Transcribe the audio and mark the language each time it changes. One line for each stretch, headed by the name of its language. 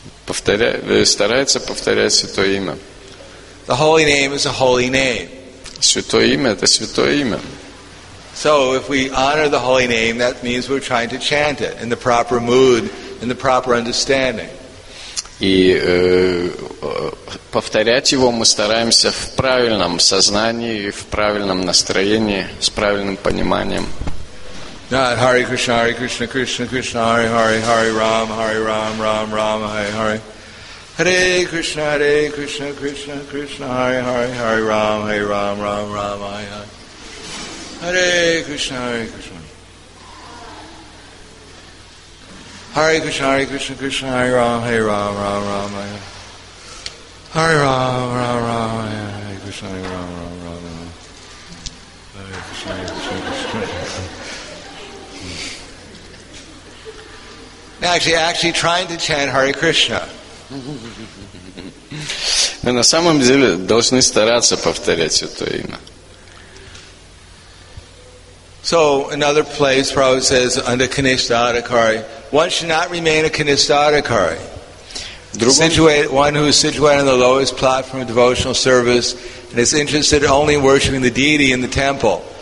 Russian: Старается повторять святое имя.
English: The holy name is a holy name.
Russian: Святое имя – это святое имя.
English: So if we honor the holy name, that means we're trying to chant it in the proper mood, in the proper understanding.
Russian: И повторять его мы стараемся в правильном сознании, в правильном настроении, с правильным пониманием.
Sanskrit: Hare Krishna, Hare Krishna, Krishna Krishna, Hare Hare, Hare Ram, Hare Ram, Ram Ram, Hare Hare. Hare Krishna, Krishna Krishna, Hare Hare, Hare Ram, Hare Ram, Ram Ram, Hare Hare. Hare Krishna, Hare Krishna. Hare Krishna, Krishna, Hare Ram, Hare Ram, Ram Ram, Hare Hare. Hare Ram, Ram Ram, Hare Krishna, Hare Ram, Ram Ram, Hare Krishna.
English: Actually trying to chant Hare Krishna.
Russian: Мы на самом деле должны стараться повторять святое имя.
English: So another place Prabhupada says under Kanishtha Adhikari, one should not remain a Kanishtha Adhikari. One who is situated on the lowest platform of devotional service and is interested only in worshipping the deity in the temple.